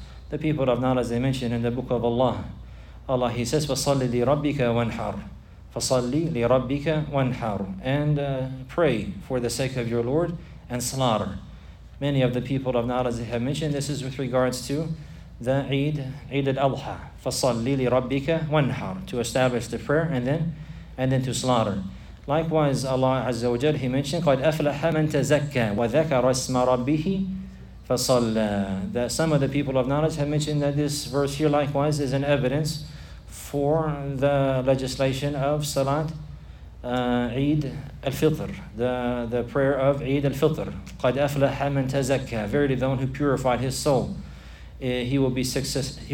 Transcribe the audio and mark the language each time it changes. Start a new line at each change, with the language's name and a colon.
English: The people of knowledge, they mention in the book of Allah, Allah, he says,
Arabic: فَصَلِّ لِرَبِّكَ وَانْحَرْ فَصَلِّ لِرَبِّكَ وَانْحَرْ.
English: And pray for the sake of your Lord and slaughter. Many of the people of knowledge, they have mentioned, this is with regards to the Eid, Eid al-Adha.
Arabic: فَصَلِّ لِرَبِّكَ وَانْحَرْ.
English: To establish the prayer and then to slaughter. Likewise, Allah Azza wa Jal, he mentioned,
Arabic: قَدْ أَفْلَحَ مَنْ تَزَكَّى وَذَكَرَ اسْمَ رَبِّهِ فَصَلَّى.
English: That some of the people of knowledge have mentioned that this verse here likewise is an evidence for the legislation of Salat Eid al-Fitr, the prayer of Eid al-Fitr.
Arabic: قَدْ أَفْلَحَ مَنْ تَزَكَّى.
English: Verily, the one who purified his soul, he will be successful.